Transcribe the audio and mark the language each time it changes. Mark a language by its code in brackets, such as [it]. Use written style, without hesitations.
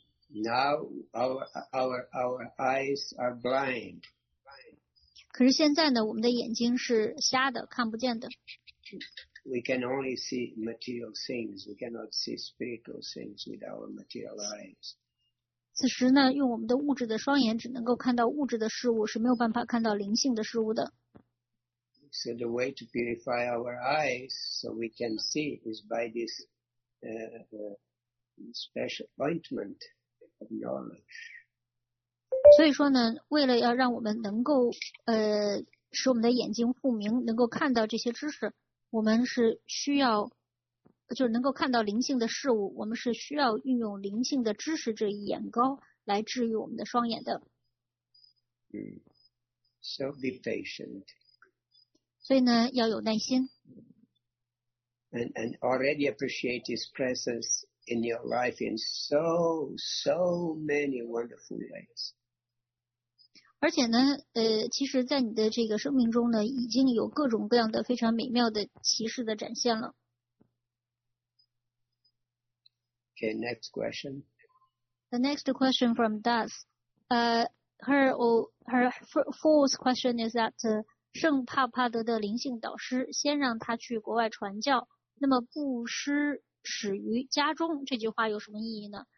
[en] Now our eyes are blind. [zh] 可是现在呢，我们的眼睛是瞎的，看不见的。 [en] We can only see material things. We cannot see spiritual things with our material eyes. [zh] 此时呢，用我们的物质的双眼只能够看到物质的事物，是没有办法看到灵性的事物的。 [en] So the way to purify our eyes so we can see is by this special ointment of knowledge. [zh] 所以说呢，为了要让我们能够使我们的眼睛复明，能够看到这些知识，我们是需要就是能够看到灵性的事物，我们是需要运用灵性的知识这一眼膏来治愈我们的双眼的。 [en] So be patient. [zh] 所以呢要有耐心。 [en] And already appreciate his presence in your life in so, so many wonderful ways. [zh] 而且呢其实在你的这个生命中呢已经有各种各样的非常美妙的奇事的展现了。 [en] Okay, next question. The next question from Das. Her fourth question is that, [zh] 圣帕帕德的灵性导师先让他去国外传教，那么布施始于家中这句话有什么意义呢？